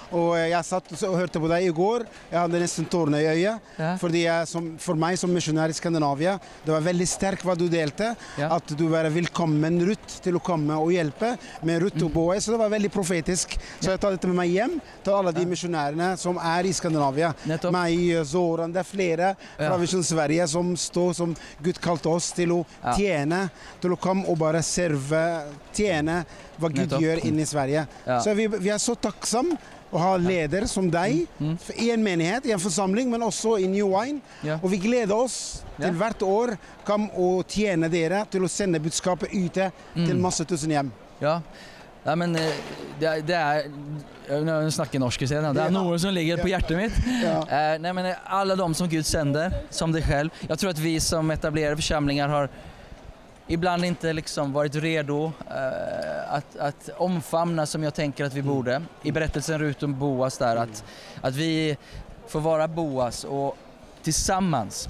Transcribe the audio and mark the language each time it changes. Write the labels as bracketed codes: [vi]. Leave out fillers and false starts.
[sv] Och jag satt och hörde på dig igår. Jag hade nästan tårna i ögonen. Ja. För mig som missionär i Skandinavia, det var väldigt starkt vad du delte. Ja. Att du var välkommen Rutt till att komma och hjälpa med Rutt och Boe. Så det var väldigt profetiskt. Så jag tar det med mig hem till alla de missionärerna som är i Skandinavia. Nettopp. Mig, Zoran, det är flera. [no] fra Vision Sverige som står som Gud kallte oss til å tjene, til å komme og bare serve, tjene hva Gud gjør inne I Sverige. Ja. Så vi så takksomme å ha leder som deg I en menighet, I en forsamling, men også I New Wine. Ja. Og vi gleder oss til hvert år kom og tjene dere til å sende budskapet ute til masse tusen hjem. Ja. Ja, men det jeg snakker norsk I stedet, det noe som ligger på hjertet mitt. Ja. Nei, men alle de som Gud sender, som deg selv. Jeg tror at vi som etablerede forsamlinger [sv] har ibland inte liksom varit redo att omfamna som jag tänker att vi borde. I berättelsen runt om Boas där, att vi får vara Boas och tillsammans.